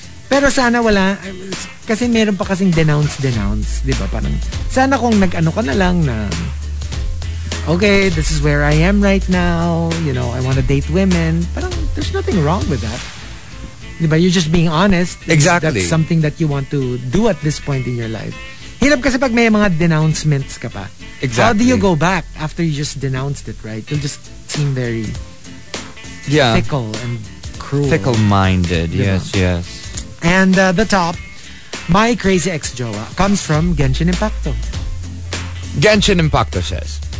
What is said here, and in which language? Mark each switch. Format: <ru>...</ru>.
<tl>Pero sana wala, kasi meron pa kasing denounce, di ba? Parang, sana kung nag-ano ka na lang na...</tl> <en>Okay, this is where I am right now. You know, I want to date women. But there's nothing wrong with that. But you're just being honest. Exactly. That's something that you want to do at this point in your life.</en> <tl>Hirap kasi pag may mga denouncements ka pa.</tl> <en>Exactly. How do you go back after you just denounced it, right? You'll just seem very fickle and cruel. Fickle-minded, yes. And the top, my crazy ex-jowa, comes from Genshin Impacto. Genshin Impacto says...</en>